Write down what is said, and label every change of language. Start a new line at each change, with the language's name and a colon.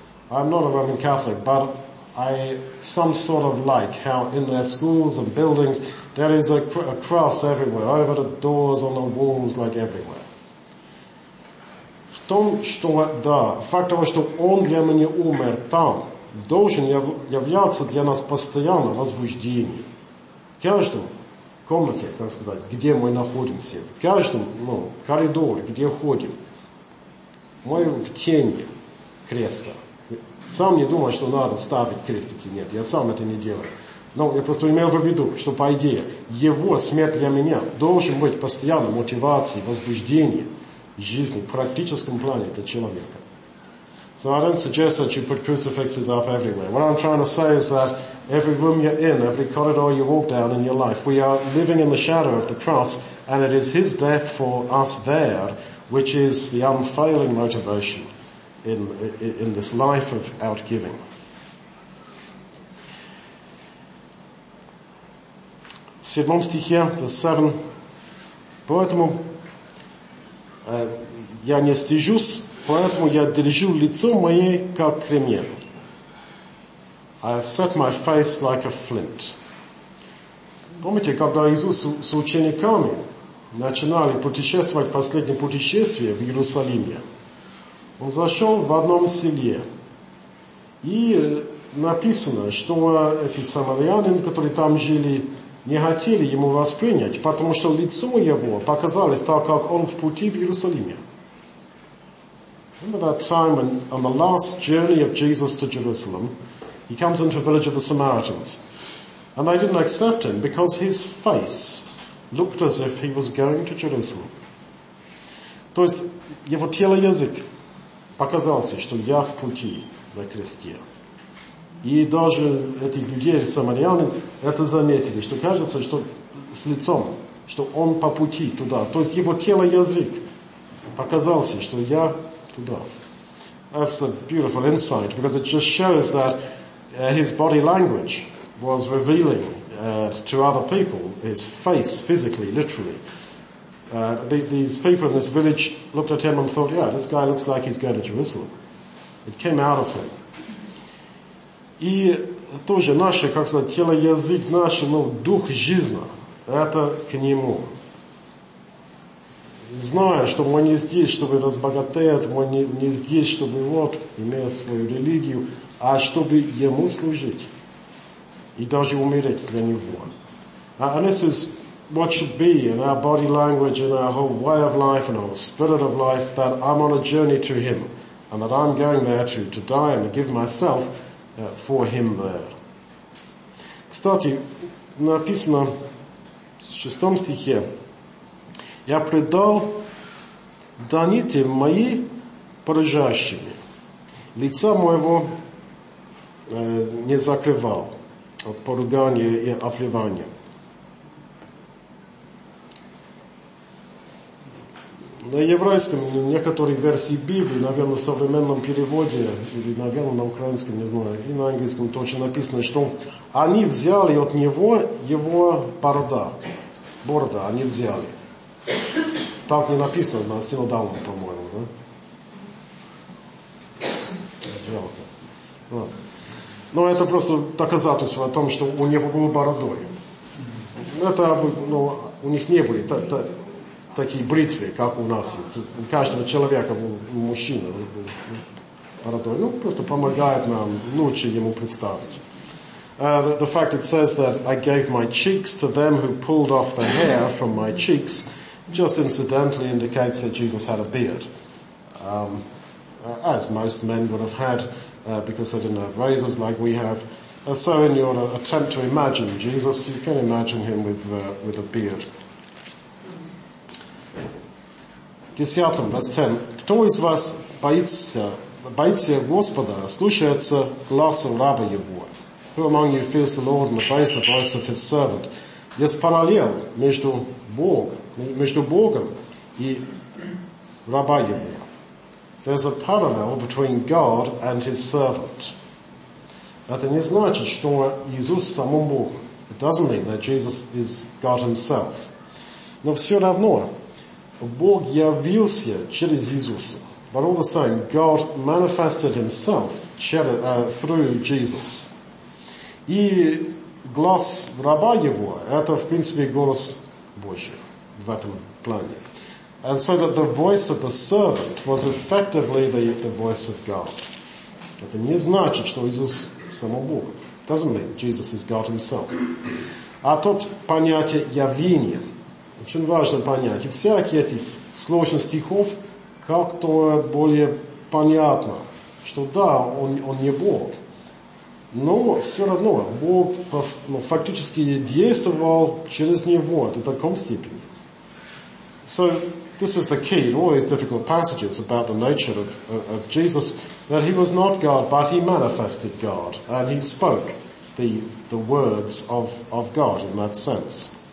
English: I'm not a Roman Catholic, but I some sort of like how in their schools and buildings there is a cross everywhere, over the doors, on the walls, like everywhere.
Russian: Факт того, что он для меня умер там, должен являться для нас постоянно возбуждением. В каждом комнате, как сказать, где мы находимся, в каждом коридоре, где ходим, мы в тени креста. Сам не думаю, что надо ставить крестики, нет, я сам это не делаю. Но я просто имел в виду, что по идее, его смерть для меня должен быть постоянно мотивацией, возбуждением. Жизни, в практическом плане для человека.
English: So I don't suggest that you put crucifixes up everywhere. What I'm trying to say is that every room you're in, every corridor you walk down in your life, we are living in the shadow of the cross, and it is his death for us there, which is the unfailing motivation in this life of outgiving.
Russian: Седьмом стихе,
English: verse 7.
Russian: Поэтому я не стыжусь, поэтому я держу лицо мое как кремень.
English: I have set my face like a flint.
Russian: Помните, когда Иисус с учениками начинали путешествовать, последнее путешествие в Иерусалиме, он зашел в одном селе, и написано, что эти самаряне, которые там жили, не хотели ему воспринять, потому что лицо его показалось так, как он в пути в Иерусалиме.
English: Remember that time when on the last journey of Jesus to Jerusalem, he comes into a village of the Samaritans, and they didn't accept him because his face looked as if he was going to Jerusalem.
Russian: То есть его тело, язык показался, что я в пути на кресте. И даже эти люди, самаряне, это заметили, что кажется, что с лицом, что он по пути туда. То есть его тело, язык показался, что я туда.
English: That's a beautiful insight, because it just shows that his body language was revealing to other people his face physically, literally. These people in this village looked at him and thought, yeah, this guy looks like he's going to Jerusalem. It came out of him.
Russian: И тоже наше, как сказать, тело, язык наше, но дух жизни, это к нему. Зная, что мы не здесь, чтобы разбогатеть, мы не здесь, чтобы вот, имея свою религию, а чтобы ему служить и даже умереть для него.
English: And this is what should be in our body language, in our whole way of life, in our spirit of life, that I'm on a journey to him, and that I'm going there to die and to give myself for him there.
Russian: Кстати, написано в шестом стихе, я предал даниты мои поражающими, лица моего не закрывал от поругания и оплевания. На еврейском, в некоторых версиях Библии, наверное, в современном переводе, или, наверное, на украинском, не знаю, и на английском точно написано, что они взяли от него его борода, они взяли. Так не написано на синодалом, по-моему, да? Жалко. Но это просто доказательство о том, что у него был бородой. Это, ну, у них не были такие бритвы, как у нас есть. У каждого человека, у мужчины, бородой. Ну, просто помогает нам лучше ему представить.
English: The fact it says that I gave my cheeks to them who pulled off the hair from my cheeks just incidentally indicates that Jesus had a beard. As most men would have had because they didn't have razors like we have. So in your attempt to imagine Jesus, you can imagine him with a beard. 10, verse 10.
Russian: Кто из вас боится Господа, слушается гласа раба его?
English: Who among you fears the Lord and obeys the voice of his servant?
Russian: Есть параллель между Богом и раба его.
English: There's a parallel between God and his servant.
Russian: Это не значит, что Иисус самому Богу.
English: It doesn't mean that Jesus is God himself.
Russian: Но все равно, Бог явился через Иисуса.
English: But all the same, God manifested himself through Jesus.
Russian: И глас раба его, это, в принципе, голос Божий в этом плане.
English: And so that the voice of the servant was effectively the voice of God.
Russian: Это не значит, что Иисус сам Бог.
English: It doesn't mean Jesus is God himself.
Russian: А тут понятие явления. Очень важно понять. И всякие эти сложные стихов как-то более понятно, что да, он не Бог. Но все равно Бог фактически действовал через него до такой степени.
English: So this is the key in all these difficult passages about the nature of Jesus, that he was not God, but he manifested God, and he spoke the words of God in that sense.